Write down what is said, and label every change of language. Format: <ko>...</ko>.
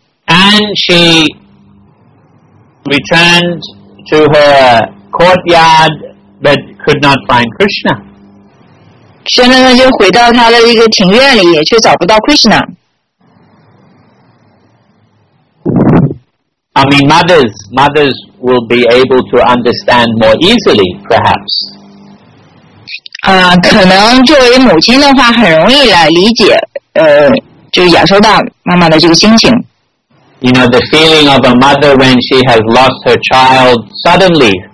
<en>And she returned to her courtyard, but could not find Krishna.</en> <zh>现在呢，就回到他的一个庭院里，却找不到 Krishna。</zh> <en>I mean, mothers will be able to understand more easily, perhaps.</en> <zh>可能作为母亲的话很容易来理解就是亚瑟大妈妈的这个心情。</zh> <en>You know, the feeling of a mother when she has lost her child suddenly.</en>